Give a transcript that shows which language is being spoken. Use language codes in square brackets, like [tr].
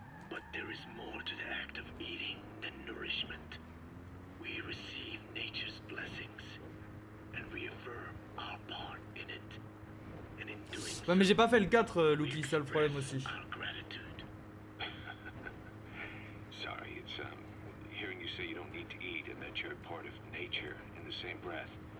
[en] But there is more to the act of eating than nourishment. We receive nature's blessings, and we affirm our part in it. And in doing so, [fr] ouais, mais j'ai pas fait le 4, Luki, c'est le problème aussi. [en] Sorry, it's hearing you say you don't need to eat and that you're a part of nature in the same breath.